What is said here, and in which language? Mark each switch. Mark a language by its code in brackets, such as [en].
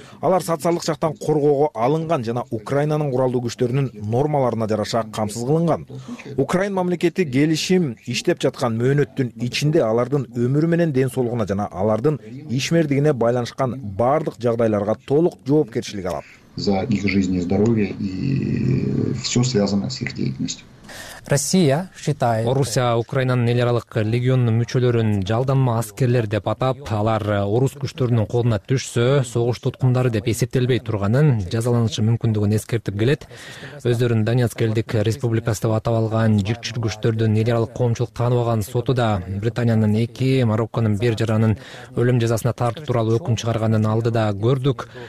[ky] Алар социалдык жактан коргоого алынган жана Украинанын куралдуу күчтөрүнүн нормаларына жараша камсыз кылынган. Украин мамлекети келишим иштеп жаткан мөөнөттүн ичинде алардын өмүрү менен ден соолугуна жана алардын ишмердигине байланышкан бардык жагдайларга толук жоопкерчилик алат. [ru] За их жизнь и здоровье и все связанное с их деятельностью. Россия считает. [ky] Орусия Украинанын эл аралык легионунун мүчөлөрүн жалданма аскерлер деп атап, алар орус күчтөрүнүн колуна түшсө, согуш туткундары деп эсептелбей турганын, жазаланышы мүмкүндүгүн эскертип келет. Өздөрүн Донецк элдик республикасы деп атап алган жикчил күчтөрдүн эл аралык коомчулук тааныбаган соту да Британиянын 2, Марокконун 1 жаранын өлүм жазасына тартып тууралуу өкүм чыгарганын алдыда көрдүк.